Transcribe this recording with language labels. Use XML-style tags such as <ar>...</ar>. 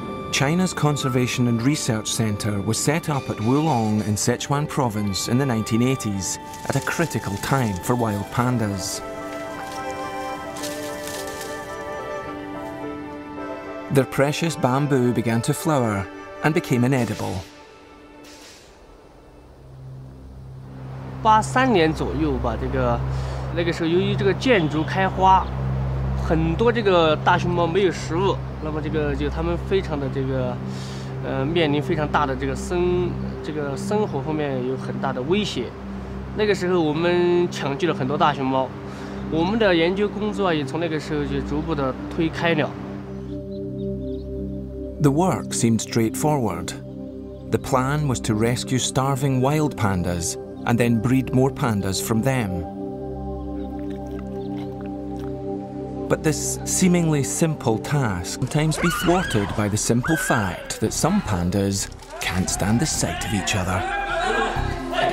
<en>China's Conservation and Research Centre was set up at Wulong in Sichuan Province in the 1980s at a critical time for wild pandas. Their precious bamboo began to flower and became inedible.</en> <zh>83年左右吧，这个那个时候由于这个箭竹开花，很多这个大熊猫没有食物。那么这个就他们非常的这个面临非常大的这个生活方面有很大的威胁。那个时候我们抢救了很多大熊猫，我们的研究工作也从那个时候就逐步的推开了。</zh> <en>The work seemed straightforward. The plan was to rescue starving wild pandas and then breed more pandas from them. But this seemingly simple task can sometimes be thwarted by the simple fact that some pandas can't stand the sight of each other.</en>